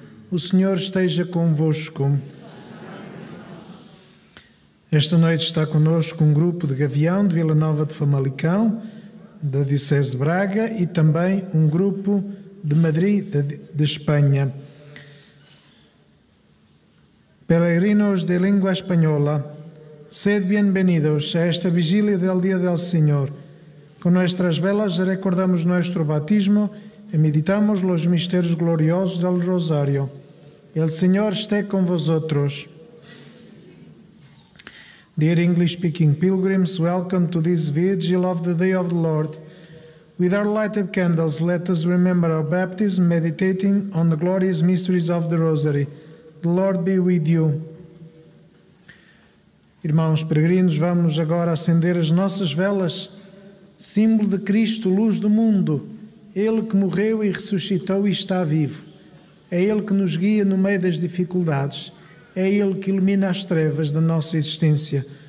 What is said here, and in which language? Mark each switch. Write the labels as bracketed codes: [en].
[pt] O Senhor esteja convosco. Esta noite está connosco um grupo de Gavião, de Vila Nova de Famalicão, da Diocese de Braga, e também um grupo de Madrid, de Espanha. [es] Peregrinos de língua española, sed bienvenidos a esta vigília del Día del Señor. Con nuestras velas recordamos nuestro batismo y meditamos los misterios gloriosos del Rosario. El Señor esté con vosotros. [en] Dear English-speaking pilgrims, welcome to this vigil of the Day of the Lord. With our lighted candles, let us remember our baptism, meditating on the glorious mysteries of the Rosary. The Lord be with you. [pt] Irmãos peregrinos, vamos agora acender as nossas velas, símbolo de Cristo, luz do mundo, Ele que morreu e ressuscitou e está vivo. É Ele que nos guia no meio das dificuldades, é Ele que ilumina as trevas da nossa existência.